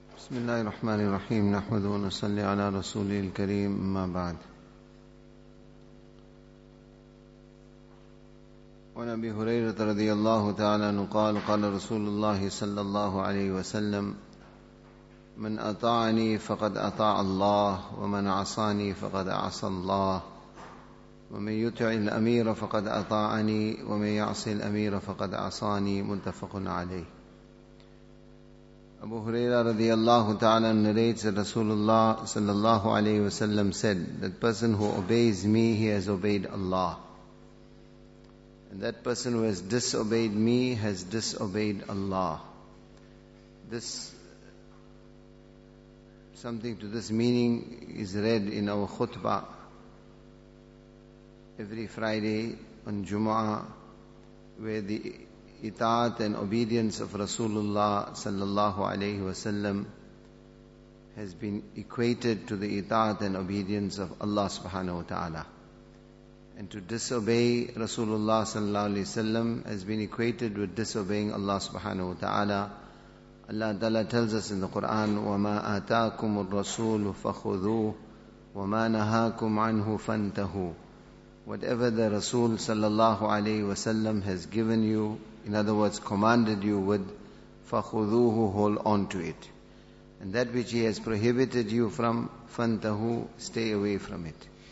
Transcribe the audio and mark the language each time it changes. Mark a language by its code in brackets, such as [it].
[ar] بسم الله الرحمن الرحيم نحمد ونصلي على رسوله الكريم ما بعد عن أبي هريرة رضي الله تعالى عنه قال قال رسول الله صلى الله عليه وسلم من أطاعني فقد أطاع الله ومن عصاني فقد عصى الله ومن يطع الأمير فقد أطاعني ومن يعص الأمير فقد عصاني متفق عليه. [en] Abu Huraira radiallahu ta'ala narrates that Rasulullah sallallahu alayhi wasallam said, that person who obeys me, he has obeyed Allah. And that person who has disobeyed me has disobeyed Allah. This, something to this meaning is read in our khutbah every Friday on Jumu'ah, where the itaat and obedience of Rasulullah sallallahu alayhi wasallam has been equated to the itaat and obedience of Allah subhanahu wa ta'ala. And to disobey Rasulullah sallallahu alayhi wasallam has been equated with disobeying Allah subhanahu wa ta'ala. Allah ta'ala tells us in the Quran, [ar] وَمَا آتَاكُمُ الرَّسُولُ فَخُذُوهُ وَمَا نَهَاكُمْ عَنْهُ فَانْتَهُوا. [en] Whatever the Rasul sallallahu alayhi wasallam has given you, in other words, commanded you with, [ar] فَخُذُوهُ, [en] hold on to it. And that which he has prohibited you from, [ar] فَانْتَهُ, [en] stay away from it.